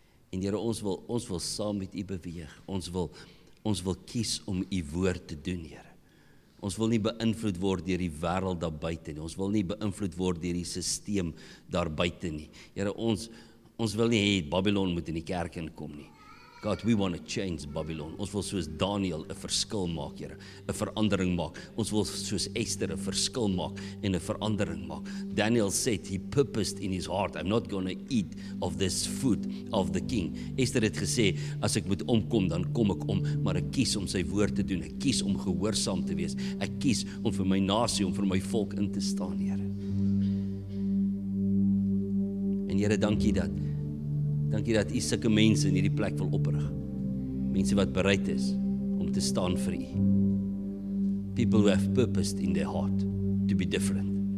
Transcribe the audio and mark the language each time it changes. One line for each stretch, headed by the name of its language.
Afrikaans: En Here, ons wil saam met U beweeg. Ons wil kies om U woord te doen, Here. Ons wil nie beïnvloed word deur die wêreld daar buite nie. Ons wil nie beïnvloed word deur die stelsel daar buite nie. Here, ons wil nie hê Babylon moet in die kerk inkom nie.
English: God, we want to change Babylon.
Afrikaans: Ons wil soos Daniel 'n verskil maak, Here. 'N verandering maak. Ons wil soos Esther 'n verskil maak en 'n verandering maak.
English: Daniel said he purposed in his heart, I'm not going to eat of this food of the king.
Afrikaans: Esther het gesê, as ek moet omkom, dan kom ek om, maar ek kies om sy woord te doen. Ek kies om gehoorsaam te wees. Ek kies om vir my nasie, om vir my volk in te staan, Here. En Here, dankie dat U sulke mense in hierdie plek wil oprig. Mense wat bereid is om te staan vir U.
English: People who have purpose in their heart to be different.